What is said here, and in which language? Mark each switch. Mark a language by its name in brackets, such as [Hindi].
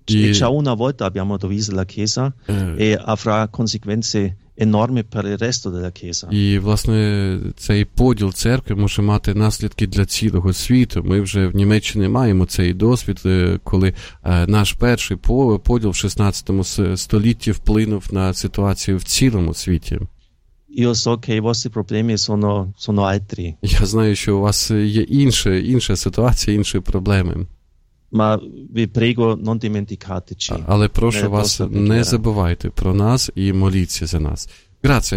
[Italian] E già una volta abbiamo diviso la Chiesa e avrà conseguenze enormi per il resto della Chiesa. [Ukrainian] І, власне, цей поділ церкви може мати наслідки для цілого світу. Ми вже в Німеччині маємо цей досвід, коли наш перший поділ в 16 столітті вплинув на ситуацію в цілому світі. [Italian] Io so che i vostri problemi sono altri. [Ukrainian] Я знаю, що у вас є інша ситуація, інші проблеми. [Italian] Ma vi prego non dimenticateci. [Ukrainian] Але прошу вас, не забувайте про нас і моліться за нас. [Italian] Grazie.